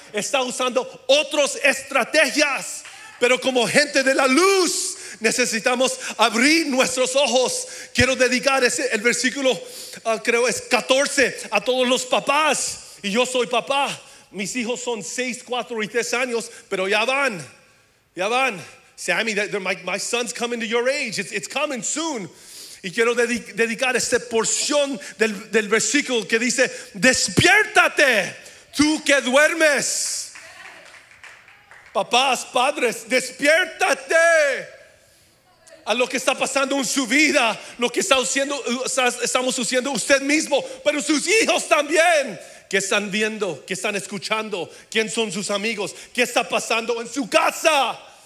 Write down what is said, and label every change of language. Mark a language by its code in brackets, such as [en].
[es] Está usando otras estrategias. Pero como gente de la luz, necesitamos abrir nuestros ojos. Quiero dedicar el versículo, creo es 14, a todos los papás. Y yo soy papá. Mis hijos son 6, 4 y 3 años, pero ya van. [en] Sammy, my son's coming to your age. It's coming soon. [es] Y quiero dedicar esta porción del versículo que dice: despiértate, tú que duermes. Papás, padres, despiértate. a lo que está pasando en su vida, lo que está haciendo, estamos haciendo usted mismo, pero sus hijos también, que están viendo, que están escuchando, quién son sus amigos, qué está pasando en su casa.